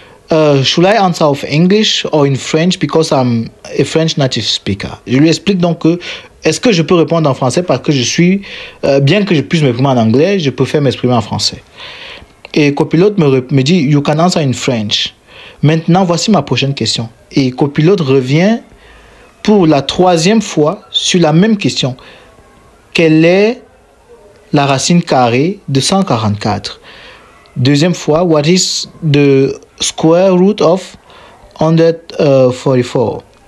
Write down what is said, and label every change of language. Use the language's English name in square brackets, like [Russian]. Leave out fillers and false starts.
[English] Should I answer of English or in French because I'm a French native speaker? [French] Je lui explique donc que est-ce que je peux répondre en français parce que je suis, bien que je puisse m'exprimer en anglais, je préfère m'exprimer en français. Et Copilot me dit, [English] you can answer in French. [French] Maintenant, voici ma prochaine question. Et Copilot revient pour la troisième fois sur la même question. Quelle est la racine carrée de 144? Deuxième fois, [English] what is the square root of 144.